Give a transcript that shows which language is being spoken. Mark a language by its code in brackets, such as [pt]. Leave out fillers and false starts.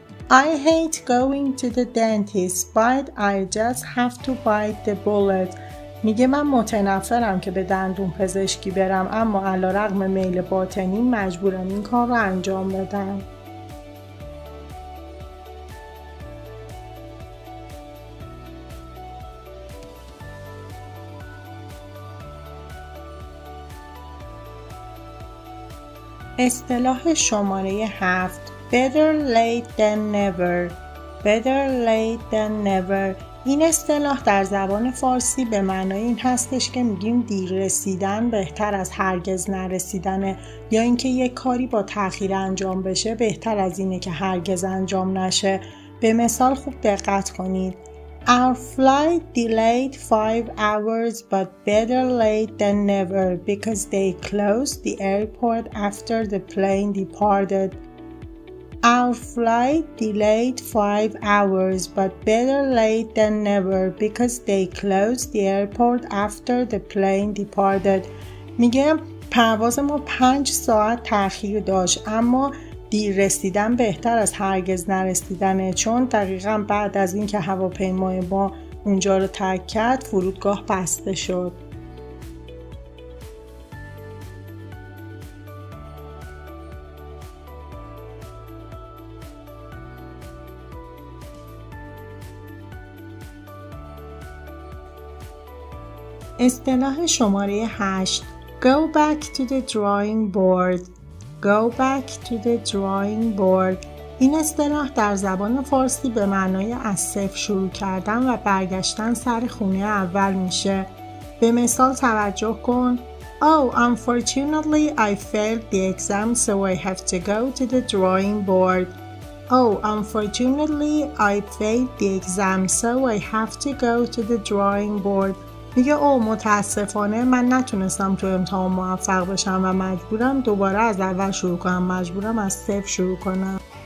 [en] I hate going to the dentist, but I'll just have to bite the bullet. [fa] میگه من متنفرم که به دندون پزشکی برم، اما علی‌رغم میل باطنی مجبورم این کار رو انجام بدم. اصطلاح شماره 7 [en] Better late than never. Better late than never. [fa] این اصطلاح در زبان فارسی به معنای این هستش که میگیم دیر رسیدن بهتر از هرگز نرسیدنه، یا اینکه یک کاری با تأخیر انجام بشه بهتر از اینه که هرگز انجام نشه. به مثال خوب دقت کنید. [en] Our flight delayed 5 hours but better late than never because they closed the airport after the plane departed. Our flight delayed 5 hours but better late than never because they closed the airport after the plane departed. [fa] میگم پرواز ما 5 ساعت تأخیر داشت اما دیر رسیدن بهتر از هرگز نرسیدنه، چون دقیقا بعد از اینکه هواپیمای ما اونجا رو ترک کرد فرودگاه بسته شد. اصطلاح شماره 8 [en] Go back to the drawing board. Go back to the drawing board. [fa] این اصطلاح در زبان فارسی به معنای از صفر شروع کردن و برگشتن سر خونه اول میشه. به مثال توجه کن. [en] Oh, unfortunately I failed the exam so I have to go to the drawing board. Oh, unfortunately I failed the exam so I have to go to the drawing board. [fa] میگه او متاسفانه من نتونستم تو امتحان موفق بشم و مجبورم دوباره از اول شروع کنم، مجبورم از صفر شروع کنم.